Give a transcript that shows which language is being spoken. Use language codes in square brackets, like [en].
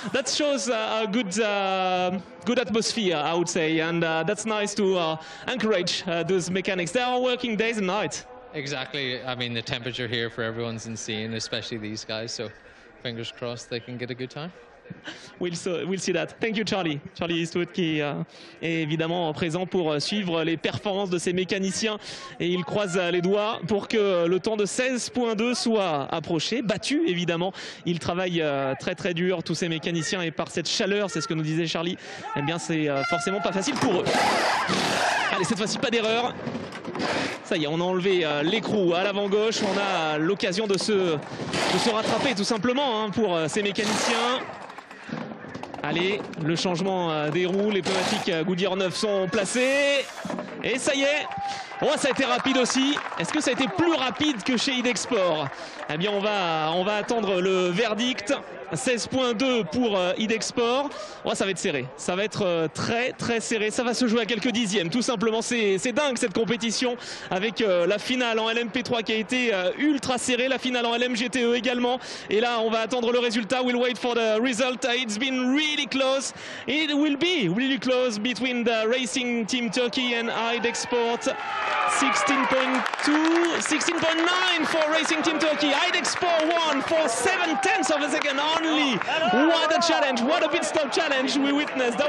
[en] That shows a good atmosphere, I would say. And that's nice to encourage those mechanics. They are working days and nights. Exactly. I mean, the temperature here for everyone's insane, especially these guys. So fingers crossed they can get a good time. We'll see that. Thank you, Charlie. [fr] Charlie Eastwood, qui est évidemment présent pour suivre les performances de ses mécaniciens. Et il croise les doigts pour que le temps de 16.2 soit approché, battu, évidemment. Il travaille très, très dur, tous ces mécaniciens. Et par cette chaleur, c'est ce que nous disait Charlie, eh bien, c'est forcément pas facile pour eux. Allez, cette fois-ci, pas d'erreur. Ça y est, on a enlevé l'écrou à l'avant gauche. On a l'occasion de se rattraper, tout simplement, hein, pour ces mécaniciens. Allez, le changement des roues, les pneumatiques Goodyear 9 sont placés. Et ça y est, oh, ça a été rapide aussi. Est-ce que ça a été plus rapide que chez Idexport? Eh bien, on va attendre le verdict. 16.2 pour Idexport. Oh, ça va être serré. Ça va être très, très serré. Ça va se jouer à quelques dixièmes. Tout simplement, c'est dingue cette compétition avec la finale en LMP3 qui a été ultra serrée. La finale en LMGTE également. Et là, on va attendre le résultat. [en] We'll wait for the result. It's been really close. It will be really close between the Racing Team Turkey and Idexport. 16.2, 16.9 for Racing Team Turkey. Idexport won for 7/10 of a second. Only. What a challenge, what a pit stop challenge we witnessed.